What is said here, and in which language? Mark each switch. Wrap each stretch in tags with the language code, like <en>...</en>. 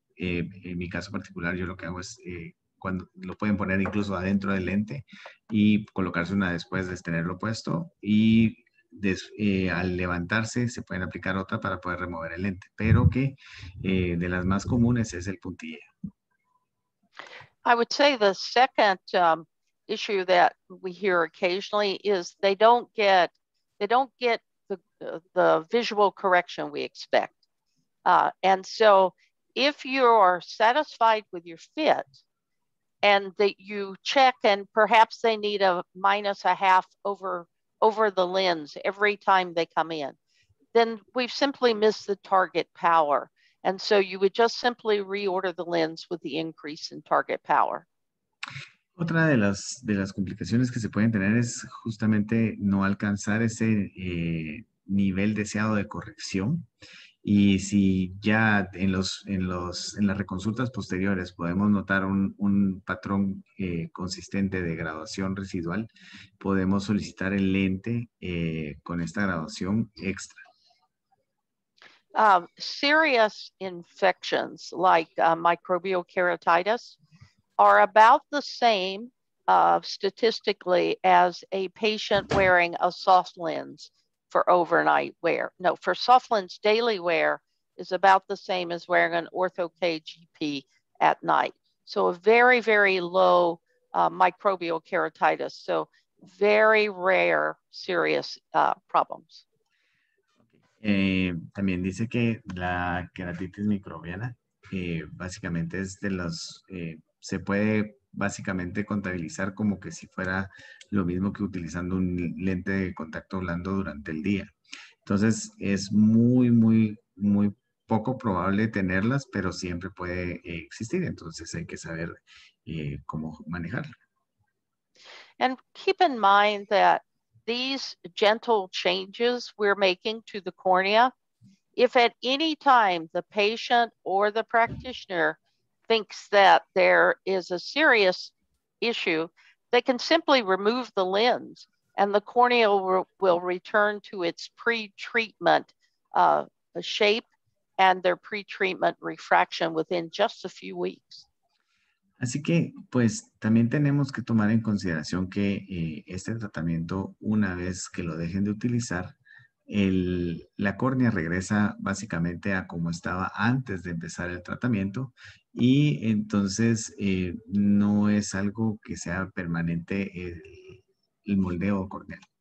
<es>En mi caso particular, yo lo que hago es cuando lo pueden poner incluso adentro del lente y colocarse una después de tenerlo puesto. Y al levantarse se pueden aplicar otra para poder remover el lente. Pero que de las más comunes es el puntilleo.</es> <en>I would say the second issue that we hear occasionally is they don't get the visual correction we expect. And so if you're satisfied with your fit and that you check and perhaps they need a minus a half over the lens every time they come in, then we've simply missed the target power. And so you would just simply reorder the lens with the increase in target power.</en> <es>Otra de las complicaciones que se pueden tener es justamente no alcanzar ese nivel deseado de corrección. Y si ya en las reconsultas posteriores podemos notar un patrón consistente de graduación residual, podemos solicitar el lente con esta graduación extra.</es> <en>Serious infections like microbial keratitis are about the same statistically as a patient wearing a soft lens for overnight wear. No, for soft lens, daily wear is about the same as wearing an ortho KGP at night. So a very, very low microbial keratitis. So very rare serious problems.</en> <es>También dice que la queratitis microbiana básicamente es de los, se puede básicamente contabilizar como que si fuera lo mismo que utilizando un lente de contacto blando durante el día. Entonces es muy, muy, muy poco probable tenerlas, pero siempre puede existir. Entonces hay que saber cómo manejarla.</es> <en>And keep in mind that these gentle changes we're making to the cornea, if at any time the patient or the practitioner thinks that there is a serious issue, they can simply remove the lens and the cornea will return to its pre-treatment shape and their pre-treatment refraction within just a few weeks.</en> <es>Así que, pues, también tenemos que tomar en consideración que este tratamiento, una vez que lo dejen de utilizar, la córnea regresa básicamente a como estaba antes de empezar el tratamiento y entonces no es algo que sea permanente el moldeo corneal.</es>